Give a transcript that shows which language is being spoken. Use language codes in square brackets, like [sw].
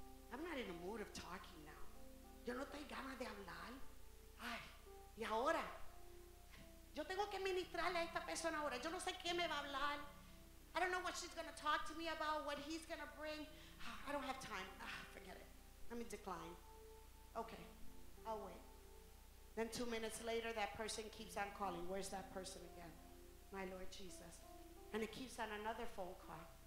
[en] I'm not in the mood of talking now. [es] Yo no tengo ganas de hablar. Ay, y ahora. Yo tengo que ministrarle a esta persona ahora. Yo no sé qué me va a hablar. [en] I don't know what she's going to talk to me about, what he's going to bring. I don't have time. Forget it. Let me decline. Okay, I'll wait. Then 2 minutes later, that person keeps on calling. Where's that person again? My Lord Jesus. And it keeps on another phone call.